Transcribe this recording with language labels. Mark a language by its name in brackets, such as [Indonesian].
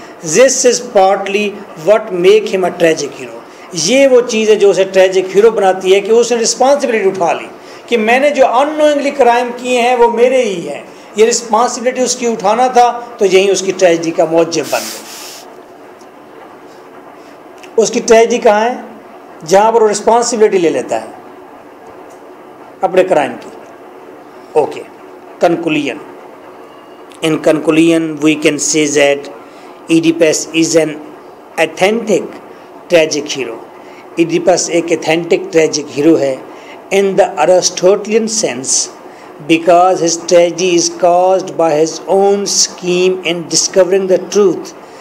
[English] this is partly what make him a tragic hero, [Urdu] یہ وہ چیز ہے جو اسے ٹریجک ہیرو بناتی ہے کہ اس نے رسپانسبلٹی اٹھا لی کہ میں نے جو ان نوئنگلی کرائم کیے ہیں وہ میرے ہی ہیں, یہ رسپانسبلٹی اس کی اٹھانا تھا, تو یہیں اس کی ٹریجڈی کا موجب بن گیا. اس کی ٹریجڈی کہاں ہے؟ جہاں پر وہ رسپانسبلٹی لے لیتا ہے اپنے کرائم کی. [English] Okay conclusion, in conclusion we can see that Oedipus is an authentic tragic hero. [Urdu] Oedipus ایک اتھینٹک ٹریجک ہیرو ہے [English] in the Aristotelian sense, because his tragedy is caused by his own scheme in discovering the truth.